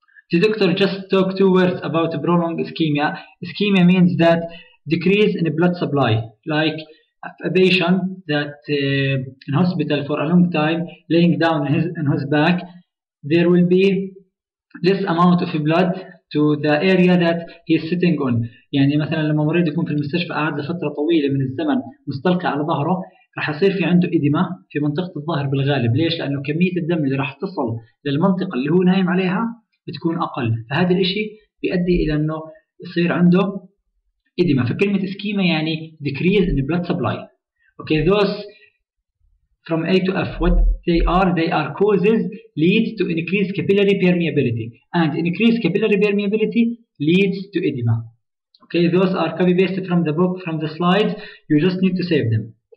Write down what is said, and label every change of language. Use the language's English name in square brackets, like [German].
[English] The doctor just talked two words about prolonged ischemia. Ischemia means that decrease in the blood supply. Like a patient that in hospital for a long time, laying down on his back, there will be less amount of blood to the area that he is sitting on. [Arabic] يعني مثلا لما مريض يكون في المستشفى قاعد لفترة طويلة من الزمن مستلقي على ظهره راح يصير في عنده إديما في منطقة الظهر بالغالب. ليش؟ لأنه كمية الدم اللي راح تصل للمنطقة اللي هو نايم عليها بتكون أقل. فهذا الإشي بيؤدي إلى أنه يصير عنده إديما. فكلمة إسكيما يعني [English] decrease in blood supply. Okay, those from A to F, what they are causes leads to increased capillary permeability, and increased capillary permeability leads to edema. Okay, those are copy pasted from the book, from the slides. You just need to save them.